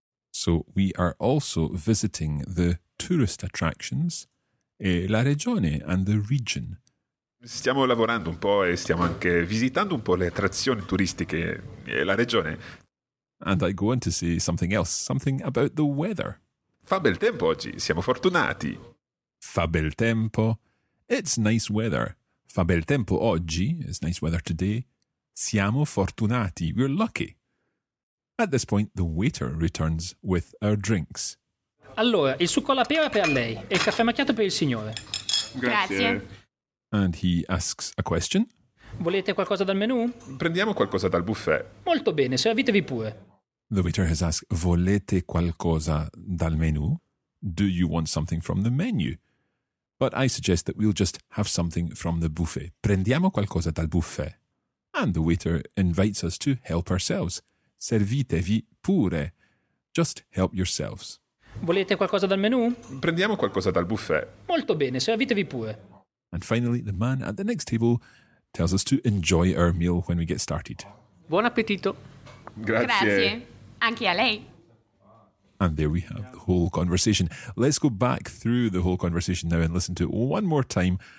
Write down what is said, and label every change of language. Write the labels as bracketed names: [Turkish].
[English] So we are also visiting the tourist attractions [Italian] e la regione [English] and the region. [Italian] Stiamo lavorando un po' e stiamo anche visitando un po' le attrazioni turistiche e la regione. [English] And I go on to say something else, something about the weather. [Italian] Fa bel tempo oggi, siamo fortunati. Fa bel tempo. [English] It's nice weather. [Italian] Fa bel tempo oggi. [English] It's nice weather today. [Italian] Siamo fortunati. [English] We're lucky. At this point, the waiter returns with our drinks. [Italian] Allora, il succo alla pera per lei e il caffè macchiato per il signore. Grazie. [English] And he asks a question. [Italian] Volete qualcosa dal menù? Prendiamo qualcosa dal buffet. Molto bene, servitevi pure. [English] The waiter has asked, [Italian] volete qualcosa dal menù? [English] Do you want something from the menu? But I suggest that we'll just have something from the buffet. [Italian] Prendiamo qualcosa dal buffet. [English] And the waiter invites us to help ourselves. [Italian] Servitevi pure. [English] Just help yourselves. [Italian] Volete qualcosa dal menù? Prendiamo qualcosa dal buffet. Molto bene, servitevi pure. [English] And finally, the man at the next table tells us to enjoy our meal when we get started. [Italian] Buon appetito. Grazie. Grazie. Anche a lei. [English] And there we have the whole conversation. Let's go back through the whole conversation now and listen to it one more time.